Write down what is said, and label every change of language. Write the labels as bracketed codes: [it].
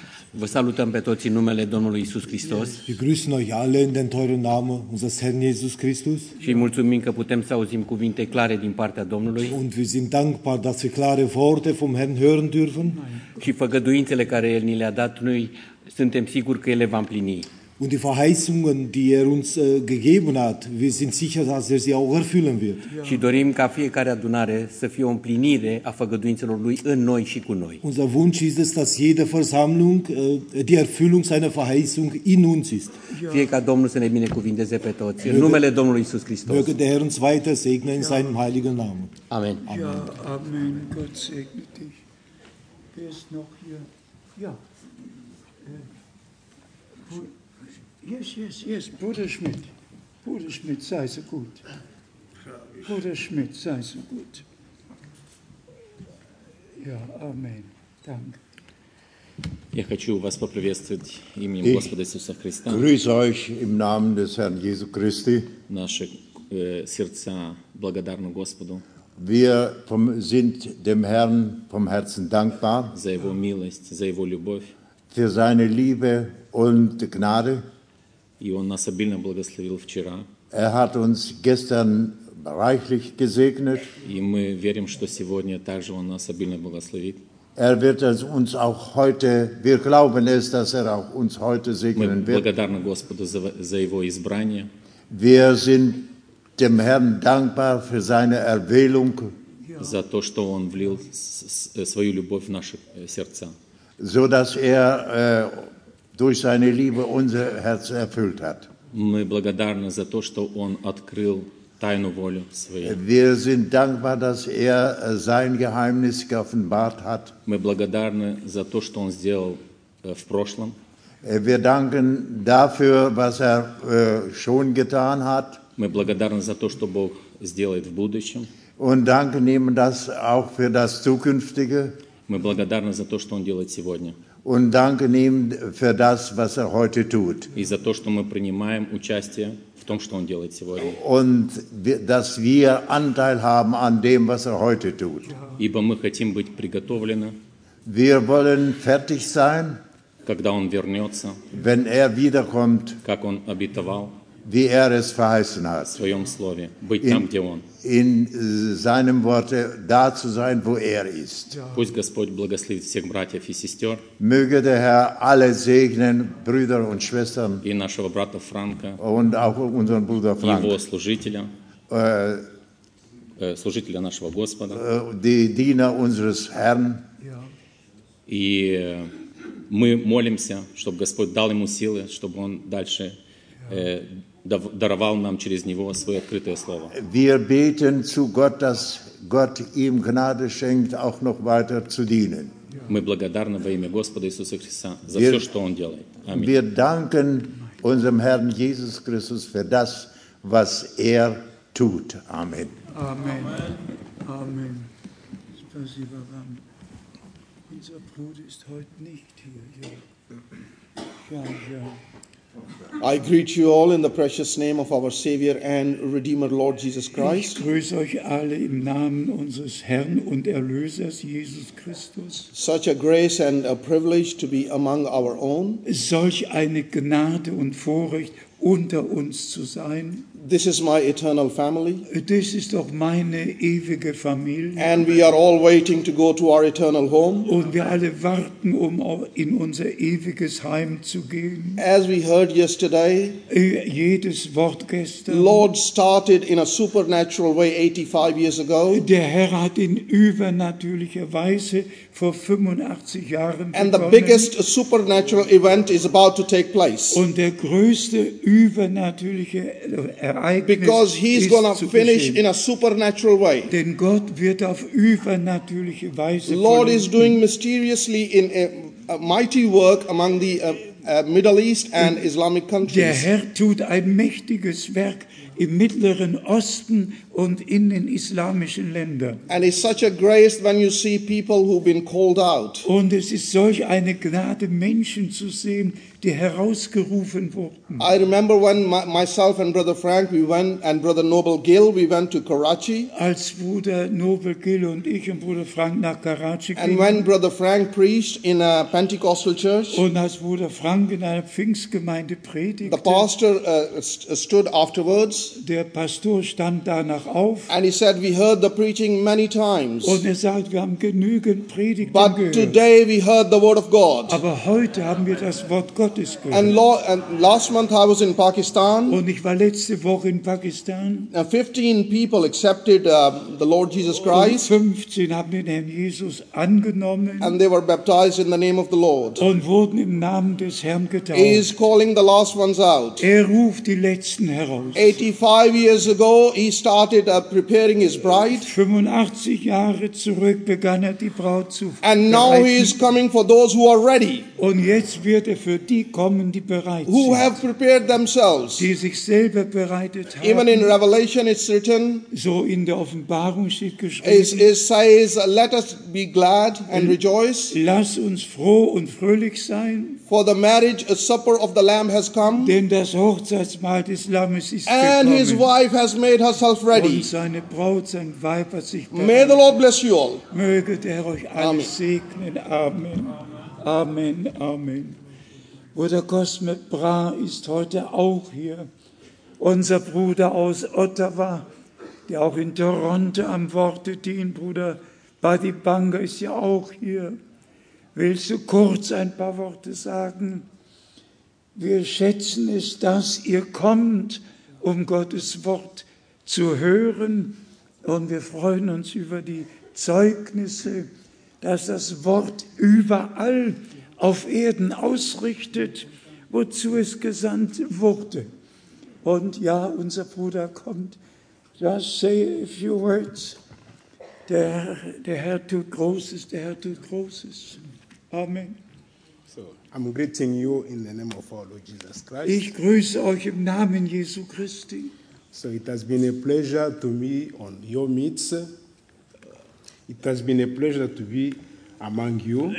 [ro] Vă salutăm pe toți în numele Domnului Iisus Hristos. [de] Wir grüßen euch alle in den teuren Namen unseres Herrn Jesus Christus. [ro] Și mulțumim că putem să auzim cuvinte clare din partea Domnului. [de] Und wir sind dankbar, dass wir klare Worte vom Herrn hören dürfen. [ro] Și făgăduințele care El ni le-a dat, noi suntem siguri că El le va împlini. [de] Und die Verheißungen, die er uns gegeben hat, wir sind sicher, dass er sie auch erfüllen wird. [ro] Și dorim ca fiecare adunare să fie o împlinire a făgăduințelor lui în noi și cu noi. [de] Unser Wunsch ist es, dass jede Versammlung die Erfüllung seiner Verheißung in uns ist. [ro] Fie ca Domnul să ne binecuvinteze pe toți. În numele Domnului Iisus Hristos. [de] Möge der Herr uns weiter segnen in seinem heiligen Namen. Amen. Ja, amen. Gott segne dich. Wer ist noch hier? Ja. [en] Yes, yes, yes, [de] Bruder Schmidt. Bruder Schmidt, sei so gut. Bruder Schmidt, sei so gut. Ja, Amen. Danke. [ru] Я хочу вас поприветствовать именем Господа Иисуса Христа. [de] Grüße euch im Namen des Herrn Jesu Christi. [ru] Наши сердца благодарны Господу. [de] Wir sind dem Herrn vom Herzen dankbar. [ru] За его милость, за его любовь. [de] Für seine Liebe und Gnade. [ru] И он нас обильно благословил вчера. [de] Er hat uns gestern reichlich gesegnet. [ru] И мы верим, что сегодня также он нас обильно благословит. [de] Er wird uns auch heute, wir glauben es, dass er auch uns heute segnen wird. [ru] Мы благодарны Господу за его избрание. [de] Wir sind dem Herrn dankbar für seine Erwählung. [ru] За то, что он влил свою любовь в наши сердца. [de] So dass er durch seine Liebe unser Herz erfüllt hat. [ru] Мы благодарны за то, что он открыл тайну волю свою. [de] Wir sind dankbar, dass er sein Geheimnis geoffenbart hat. [ru] Мы благодарны за то, что он сделал в прошлом. [de] Wir danken dafür, was er schon getan hat. [ru] Мы благодарны за то, что Бог сделает в будущем. [de] Und danken ihm das auch für das Zukünftige. [ru] Мы благодарны за то, что он делает сегодня. [de] Und danken ihm für das, was er heute tut. [ru] И за то, что мы принимаем участие в том, что он делает сегодня. [de] Und dass wir Anteil haben an dem, was er heute tut. [ru] Ибо мы хотим быть приготовлены. [de] Wir wollen fertig sein. [ru] Когда он вернется. [de] Wenn er wiederkommt. [ru] Как он обетовал. [de] Wie er es verheißen hat. [ru] В своем слове. Быть там, где он. [de] In seinem Worte da zu sein, wo er ist. [ru] Пусть Господь благословит всех братьев и сестер. [de] Möge der Herr alle segnen, Brüder und Schwestern. [ru] И нашего брата Франка. [de] Und auch unseren Bruder Frank. [ru] Его служителя. Служителя нашего Господа. [de] Die Diener unseres Herrn. [ru] И мы молимся, чтобы Господь дал ему силы, чтобы он дальше даровал нам через него свое открытое слово. [de] Wir beten zu Gott, dass Gott ihm Gnade schenkt, auch noch weiter zu dienen. [ru] Мы благодарны во имя Господа Иисуса Христа за все, что он делает. Аминь. [de] Wir danken unserem Herrn Jesus Christus für das, was er tut. Amen. [ru] Amen. Amen. Спасибо вам. [de] Unser Bruder ist heute nicht hier. Ja. [en] I greet you all in the precious name of our Savior and Redeemer Lord Jesus Christ. [de] Ich grüße euch alle im Namen unseres Herrn und Erlösers Jesus Christus. [en] Such a grace and a privilege to be among our own. [de] Solch eine Gnade und Vorrecht unter uns zu sein. [en] This is my eternal family. [de] Das ist doch meine ewige Familie. [en] And we are all waiting to go to our eternal home. [de] Und wir alle warten, um in unser ewiges Heim zu gehen. [en] As we heard yesterday, [de] jedes Wort gestern, [en] Lord started in a supernatural way 85 years ago. [de] Der Herr hat in übernatürlicher Weise vor 85 Jahren begonnen. [en] And the biggest supernatural event is about to take place. [de] Und der größte übernatürliche Ereignis [en] because he's going to finish in a supernatural way. [de] Denn Gott wird auf übernatürliche Weise vollenden. [en] Lord is doing mysteriously in a mighty work among the Middle East and Islamic countries. [de] Der Herr tut ein mächtiges Werk im Mittleren Osten und in den islamischen Ländern. [en] And it's such a grace when you see people who've been called out. [de] Und es ist solch eine Gnade, Menschen zu sehen, die herausgerufen wurden. [en] I remember when myself and Brother Frank, we went, and Brother Noble Gill, we went to Karachi. [de] Als Bruder Noble Gill und ich und Bruder Frank nach Karachi gingen. [en] And when Brother Frank preached in a Pentecostal church. [de] Und als Bruder Frank in einer Pfingstgemeinde predigte. [en] The pastor stood afterwards. [de] Der Pastor stand danach auf. [en] And he said, we heard the preaching many times. [de] Und er sagt, wir haben genügend Predigten [en] but [de] gehört. [en] But today we heard the word of God. [de] Aber heute haben wir das Wort Gottes gehört. [en] And last month I was in Pakistan. [de] Und ich war letzte Woche in Pakistan. [en] 15 people accepted the Lord Jesus Christ. [de] Und 15 haben den Herrn Jesus angenommen. [en] And they were baptized in the name of the Lord. [de] Und wurden im Namen des Herrn getauft. [en] He is calling the last ones out. [de] Er ruft die letzten heraus. [en] 85 years ago he started preparing his bride. [de] 85 Jahre zurück begann er die Braut zu bereiten. [en] And now he is coming for those who are ready. [de] Und jetzt wird er für die kommen, die bereit [en] who [de] sind, [en] have prepared themselves. [de] Die sich selber bereitet haben. [en] Even in Revelation it's written, [de] so in der Offenbarung steht geschrieben, [en] it says, let us be glad and rejoice. [de] Lass uns froh und fröhlich sein. [en] For the marriage supper of the Lamb has come. [de] Denn das Hochzeitsmahl des Lammes ist [en] and [de] gekommen. [en] And his wife has made herself ready. [de] Und seine Braut, sein Weib hat sich bereit. [en] May the Lord bless you all. [de] Möge der Herr euch alle Amen. Segnen. Amen. Amen. Amen. Bruder Cosme Brun ist heute auch hier. Unser Bruder aus Ottawa, der auch in Toronto am Worte dient. Bruder Buddy Banga ist ja auch hier. Willst du kurz ein paar Worte sagen? Wir schätzen es, dass ihr kommt, um Gottes Wort zu hören. Und wir freuen uns über die Zeugnisse, dass das Wort überall auf Erden ausrichtet, wozu es gesandt wurde. Und ja, unser Bruder kommt. [en] Just say a few words. [de] Der Herr tut Großes, der Herr tut Großes. Amen. [en] So, I'm greeting you in the name of our Lord Jesus Christ. [de] Ich grüße euch im Namen Jesu Christi. [en] So it has been a pleasure to me on your midst. It has been a pleasure to be among you.